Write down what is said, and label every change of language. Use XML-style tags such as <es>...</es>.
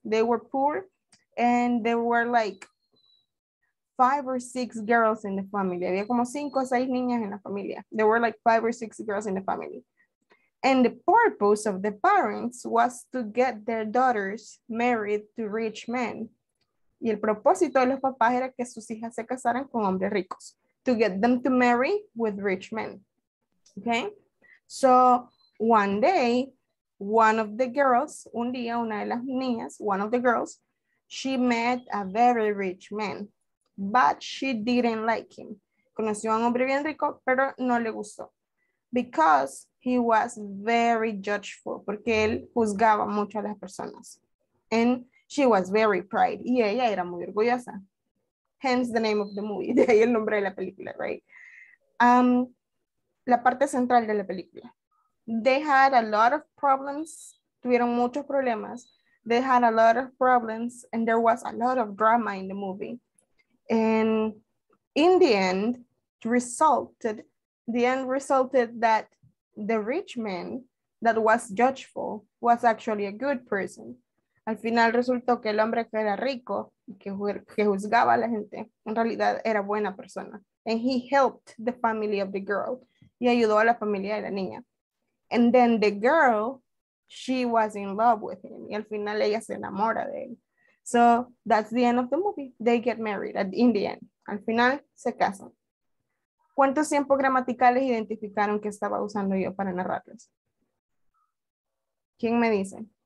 <en>They were poor and there were like 5 or 6 girls in the family.</en> <es>Había como 5 o 6 niñas en la familia.</es> <en>There were like 5 or 6 girls in the family. And the purpose of the parents was to get their daughters married to rich men.</en> <es>Y el propósito de los papás era que sus hijas se casaran con hombres ricos.</es> <en>To get them to marry with rich men. Okay? So, one day, one of the girls,</en> <es>un día una de las niñas,</es> <en>one of the girls, she met a very rich man. But she didn't like him.</en> <es>Conoció a un hombre bien rico, pero no le gustó.</es> <en>Because he was very judgeful,</en> <es>porque él juzgaba mucho a las personas.</es> <en>And she was very proud.</en> <es>Y ella era muy orgullosa.</es> <en>Hence the name of the movie.</en> <es>De ahí el nombre de la película, right? La parte central de la película.</es> <en>They had a lot of problems.</en> <es>Tuvieron muchos problemas.</es> <en>They had a lot of problems. And there was a lot of drama in the movie. And in the end, resulted that the rich man that was judgeful was actually a good person.</en> <es>Al final resultó que el hombre que era rico, que juzgaba a la gente, en realidad era buena persona.</es> <en>And he helped the family of the girl.</en> <es>Y ayudó a la familia de la niña.</es> <en>And then the girl, she was in love with him.</en> <es>Y al final ella se enamora de él.</es> <en>So that's the end of the movie. They get married at, in the end.</en> <es>Al final se casan. ¿Cuántos tiempos gramaticales identificaron que estaba usando yo para narrarlos? ¿Quién me dice?</es>